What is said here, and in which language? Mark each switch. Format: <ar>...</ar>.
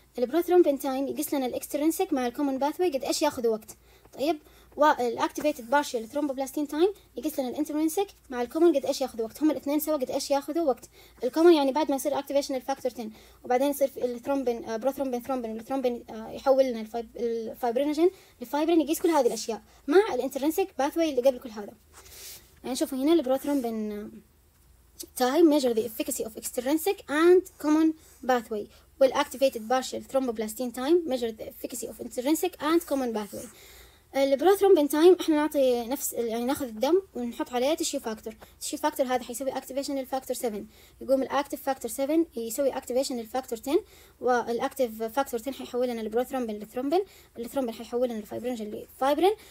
<ar>البروثرومبين تايم يقص لنا الاكسترنسك مع الكومون باثوي قد ايش ياخذ وقت، طيب، والاكتيفيتد بارشيال ثرومبوبلاستين تايم يقص لنا الانترنسك مع الكومون قد ايش ياخذ وقت. هم الاثنين سوا قد ايش ياخذوا وقت؟ الكومون يعني بعد ما يصير اكتيفيشن الفاكتور 10 وبعدين يصير الثرومبين بروثرومبين ثرومبين الثرومبين يحول لنا الفايبرينوجين لفايبرين، يقيس كل هذه الاشياء مع الانترنسك باثوي اللي قبل كل هذا. يعني شوفوا هنا البروثرومبين</ar> <en>time measure the efficacy of extrinsic and common pathway. Will activated partial thromboblastin time measure the efficacy of intrinsic and common pathway.</en> <ar>البروثرومبين تايم احنا نعطي نفس يعني ناخذ الدم ونحط عليه تشيو فاكتور. التشيو فاكتور هذا حيسوي اكتيفيشن للفاكتور 7، يقوم الاكتيف فاكتور 7 يسوي اكتيفيشن للفاكتور 10، والاكتيف فاكتور 10 حيحول لنا البروثرومبين للثرومبين، الثرومبين حيحول لنا الفايبرينوجين للفايبرين.</ar>